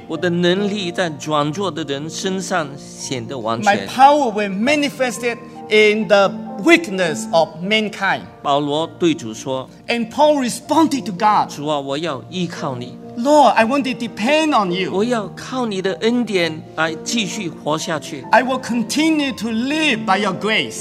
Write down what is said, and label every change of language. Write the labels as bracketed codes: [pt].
[zh] 我的能力在软弱的人身上显得完全 [en] My power will manifest it in the weakness of mankind. [zh] 保罗对主说 [en] And Paul responded to God, [zh] 主啊，我要依靠你 [en] Lord, I want to depend on you. [zh] 我要靠你的恩典来继续活下去。 [en] I will continue to live by your grace.